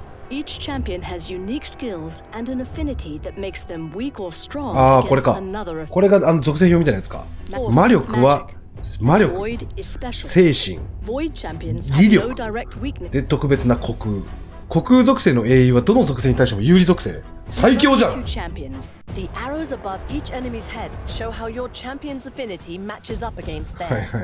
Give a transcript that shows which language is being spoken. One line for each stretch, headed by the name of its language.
English: Each champion has unique skills and an affinity that makes them weak or strong.
Japanese: ああ、これか。これがあの属性表みたいなやつか。魔力は魔力、精神、技力で特別な虚空。虚空属性の英雄はどの属性に対しても有利属性。最強じゃん。
English: The arrows above each enemy's head show how your champion's affinity matches up against theirs.